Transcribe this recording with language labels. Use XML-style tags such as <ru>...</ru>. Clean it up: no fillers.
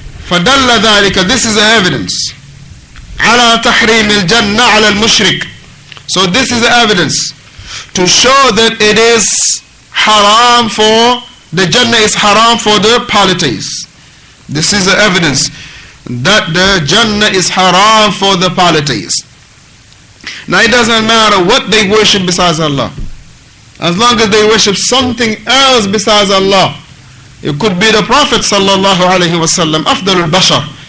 <ar>فدل ذلك,</ar> <en>this is the evidence.</en> <ar>على تحريم الجنة على المشرك.</ar> <en>So this is the evidence to show that it is haram for, the Jannah is haram for the polytheists. This is the evidence that the Jannah is haram for the polytheists. Now it doesn't matter what they worship besides Allah. As long as they worship something else besides Allah, it could be the Prophet sallallahu alayhi wa sallam, Afdalul Bashar.</en>